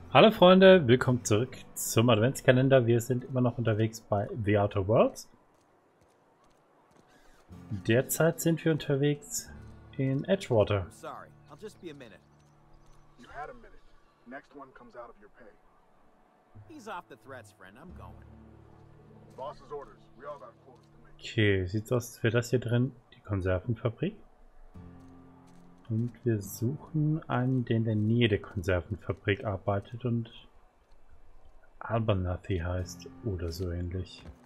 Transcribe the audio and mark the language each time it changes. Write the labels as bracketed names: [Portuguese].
[German] Hallo Freunde, willkommen zurück zum Adventskalender. Wir sind immer noch unterwegs bei The Outer Worlds. Derzeit sind wir unterwegs in Edgewater. [English] Sorry, I'll just be a minute. You had a minute. Next one comes out of your pay. He's off the threats, friend. I'm going. Boss's orders. We all got quotas to make. [German] Okay, sieht aus, als wäre das hier drin, die Konservenfabrik. Und wir suchen einen, der in der Nähe der Konservenfabrik arbeitet und Abernathy heißt oder so ähnlich.